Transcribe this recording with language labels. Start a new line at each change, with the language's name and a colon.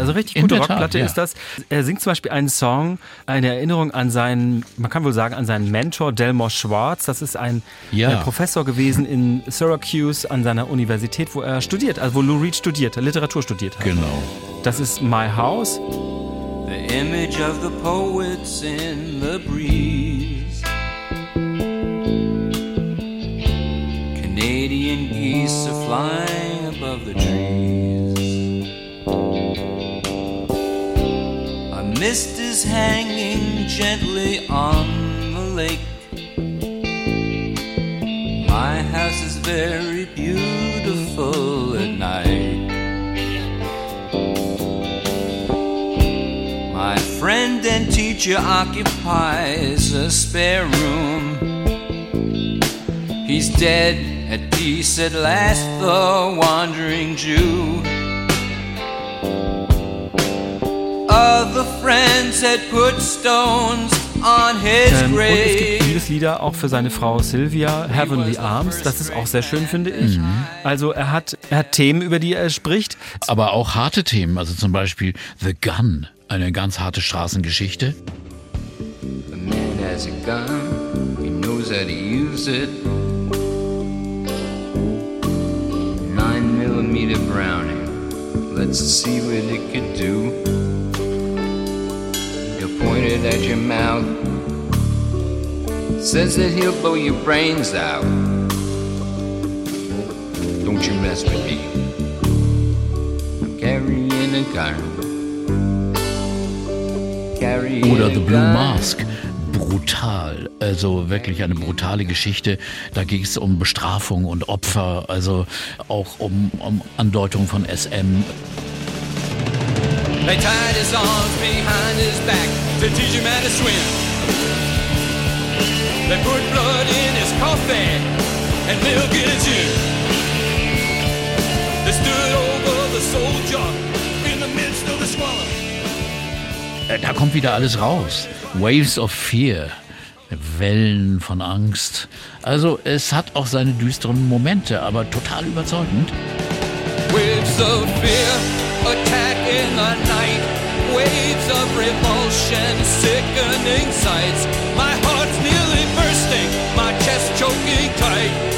German: Also richtig gute Rockplatte ist das. Er singt zum Beispiel einen Song, eine Erinnerung an seinen, man kann wohl sagen, an seinen Mentor Delmore Schwartz. Das ist ein Professor gewesen in Syracuse an seiner Universität, wo er studiert, also wo Lou Reed studiert, Literatur studiert hat. Genau. Das ist My House.
English: The image of the poets in the breeze. Canadian geese are flying above the trees. mist is hanging gently on the lake. My house is very beautiful at night. My friend and teacher occupies a spare room. He's dead, at peace at last, the wandering Jew. Other friends had put stones on his grave.
German: Lieder auch für seine Frau Sylvia, Heavenly Arms, das ist auch sehr schön, finde ich. Mhm. Also er hat Themen, über die er spricht. Aber auch harte Themen, also zum Beispiel The Gun, eine ganz harte Straßengeschichte.
English: The man has a gun, he knows how to use it. 9mm Browning, let's see what it could do. He'll point it at your mouth. Says that he'll blow your brains out. Don't you mess with me. I'm carrying a gun. Carrying.
German: Oder The Blue Mask. Brutal, also wirklich eine brutale Geschichte. Da ging es um Bestrafung und Opfer, also auch um Andeutung von SM.
English: They tied his arms behind his back to teach him how to swim. They put blood in his coffee and milk in his ear. They stood over the soldier in the midst of the squalor.
German: Da kommt wieder alles raus. Waves of Fear, Wellen von Angst. Also es hat auch seine düsteren Momente, aber total überzeugend.
English: Waves of Fear, attack in the night. Waves of revulsion, sickening sights. My heart's nearly bursting, my chest choking tight.